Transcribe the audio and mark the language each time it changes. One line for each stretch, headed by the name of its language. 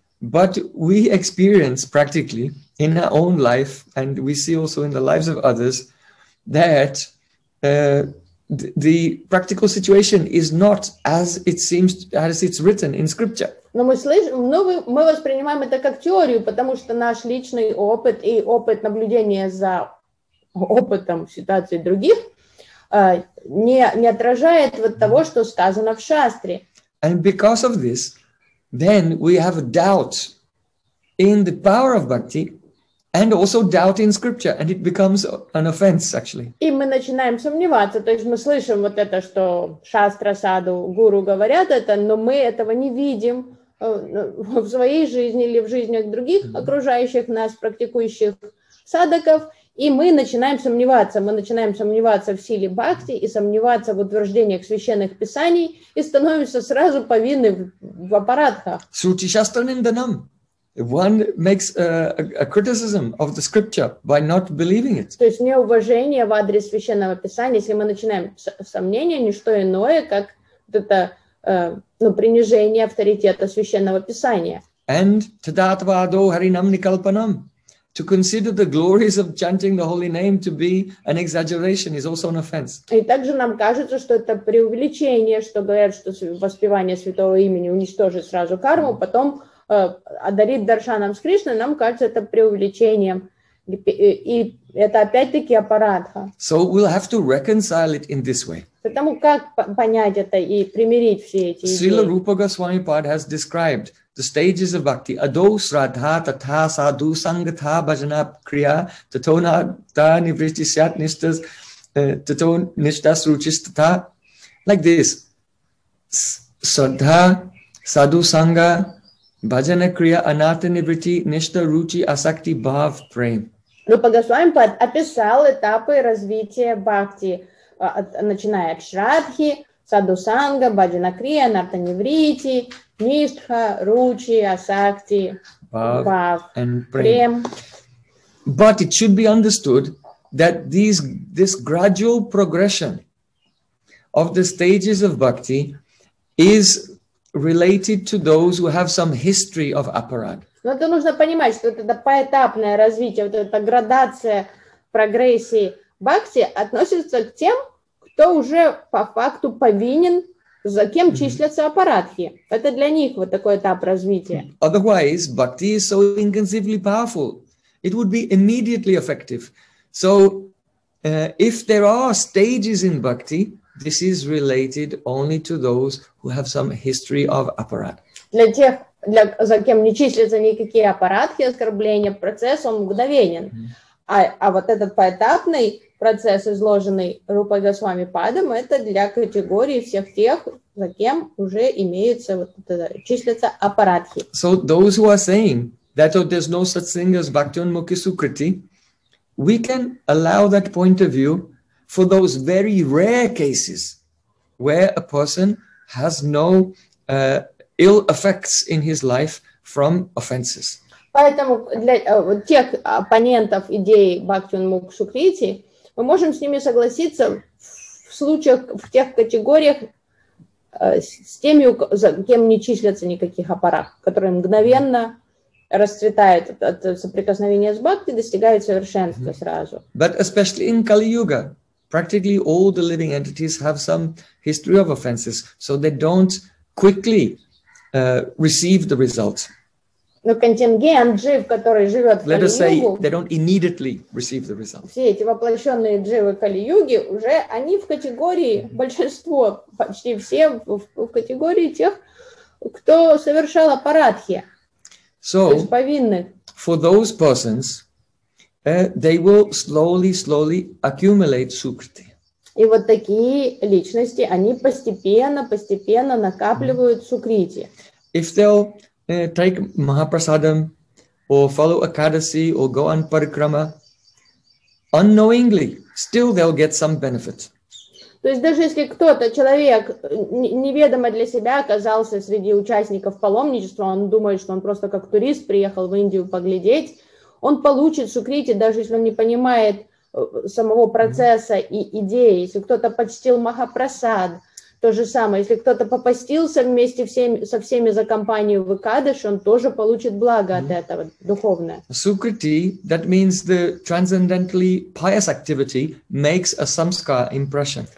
English: But we experience practically in our own life, and we see also in the lives of others, that the practical situation is not as it seems, as it's written in scripture.
Russian: Но мы воспринимаем это как теорию, потому что наш личный опыт и опыт наблюдения за опытом ситуации других не отражает вот того, что сказано в шастре.
English: And because of this, then we have a doubt in the power of bhakti and also doubt in scripture, and it becomes an offense, actually.
Russian: И мы начинаем сомневаться, то есть мы слышим вот это, что шастра, саду, гуру говорят это, но мы этого не видим в своей жизни или в жизнях других окружающих нас, практикующих садаков, и мы начинаем сомневаться. Мы начинаем сомневаться в силе бхакти и сомневаться в утверждениях священных писаний и становимся сразу повинны в аппаратхах.
Sanskrit: Срути шастра нинданам.
English: One makes a criticism of the scripture by not believing it.
Russian: То есть неуважение в адрес священного писания, если мы начинаем сомнение, не что иное, как это... Ну, принижение авторитета священного писания.
English: And
Sanskrit: tadatva ado harinam nikalpanam.
English: To consider the glories of chanting the holy name to be an exaggeration is also an offense.
Russian: И также нам кажется, что это преувеличение, что говорят, что воспевание святого имени уничтожит сразу карму, потом одарит даршанам с Кришной, нам кажется, это преувеличением. И это опять-таки аппаратха.
English: So we'll have to reconcile it in this way.
Russian: Поэтому как понять это и примирить все эти идеи?
English: Srila Rupa Goswami Pad has described the stages of bhakti.
Sanskrit: Ado sraddha tatha sadhu sangatha bhajana kriya tato nata nivritti syat nishtas tato nishtas ruchis tatha.
English: Like this.
Sanskrit: Sraddha sadhu sangha bhajana kriya anata nivritti nishta ruchi asakti bhav prem.
Russian: Rupa Goswami Pad описал этапы развития бхакти. Начиная от Шрадхи, Садусанга, Баджанакрия, Нартаневрити, Ништха, Ручи, Асакти, Бхав, Прем.
English: But it should be understood that this gradual progression of the stages of bhakti is related to those who have some history of aparad.
Russian: Но это нужно понимать, что это поэтапное развитие, вот эта градация прогрессии бхакти относится к тем, кто уже по факту повинен, за кем числятся аппаратхи. Это для них вот такой этап развития.
English: Otherwise, bhakti is so inconceivably powerful. It would be immediately effective. So, if there are stages in bhakti, this is related only to those who have some history of аппарат.
Russian: Для тех, за кем не числятся никакие аппаратхи, оскорбления, процесс, он мгновенен. А вот этот поэтапный процесс, изложенный Рупой Госвами Падом, это для категории всех тех, за кем уже имеются, вот это, числятся аппаратхи.
English: So those who are saying that there's no such thing as bhakti and mukhi sukriti, we can allow that point of view for those very rare cases where a person has no ill effects in his life from offenses.
Russian: Поэтому для тех оппонентов идеи бхакти и мукхи сукрити мы можем с ними согласиться в случаях, в тех категориях с теми, за кем не числятся никаких аппарат, которые мгновенно расцветают от соприкосновения с бхакти, достигают совершенства сразу.
English: But especially in Kali-Yuga, practically all the living entities have some history of offenses, so they don't quickly receive the results.
Russian: Но контингент джив, который живет в Кали-Югу, все эти воплощенные дживы Кали-Юги, уже они в категории, большинство, почти все в категории тех, кто совершал аппаратхи,
English: so,
Russian: то есть повинных.
English: For those persons, they will slowly accumulate sukriti.
Russian: И вот такие личности, они постепенно накапливают сукрити.
English: If they'll take Mahaprasadam, or follow Akadasi, or go on Parikrama, unknowingly, still they'll get some benefit.
Russian: То есть даже если кто-то, человек, неведомо для себя оказался среди участников паломничества, он думает, что он просто как турист приехал в Индию поглядеть, он получит сукрити, даже если он не понимает самого процесса и идеи. Если кто-то почтил Махапрасад, то же самое. Если кто-то попостился вместе со всеми за компанию в Экадыш, он тоже получит благо от этого духовное.
English: Sukriti, that means the transcendentally pious activity, makes a samskara impression.